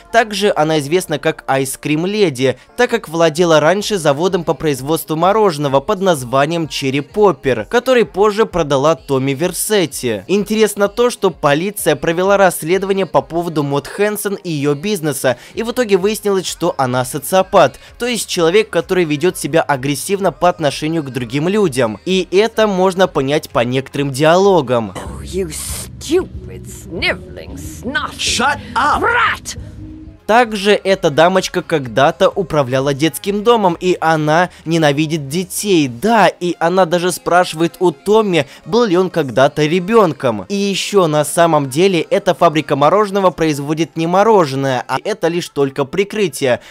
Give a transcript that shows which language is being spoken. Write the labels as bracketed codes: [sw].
[ru] Также она известна как Ice Cream Lady, так как владела раньше заводом по производству мороженого под названием Cherry Popper, который позже продала Томми Версетти. Интересно то, что полиция провела расследование по поводу Мод Хэнсон и ее бизнеса, и в итоге выяснилось, что она социопат, то есть человек, который ведет себя агрессивно по отношению к другим людям. И это можно понять по некоторым диалогам. [en] You stupid sniveling snotty. Shut up, rat! [ru] Также эта дамочка когда-то управляла детским домом, и она ненавидит детей. Да, и она даже спрашивает у Томми, был ли он когда-то ребенком. И еще на самом деле, эта фабрика мороженого производит не мороженое, а это лишь только прикрытие.